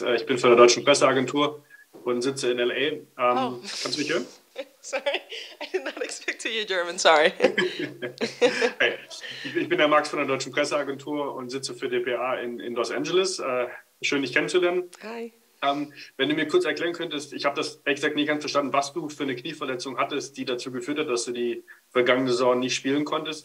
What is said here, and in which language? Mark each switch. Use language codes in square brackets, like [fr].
[de] Ich bin von der Deutschen Presseagentur und sitze in LA. Kannst du mich hören? [en] Sorry, I did not expect to hear German, sorry. [de] Hey, ich bin der Max von der Deutschen Presseagentur und sitze für DPA in Los Angeles. Schön, dich kennenzulernen. Hi. Wenn du mir kurz erklären könntest, ich habe das exakt nicht ganz verstanden, was du für eine Knieverletzung hattest, die dazu geführt hat, dass du die vergangene Saison nicht spielen konntest.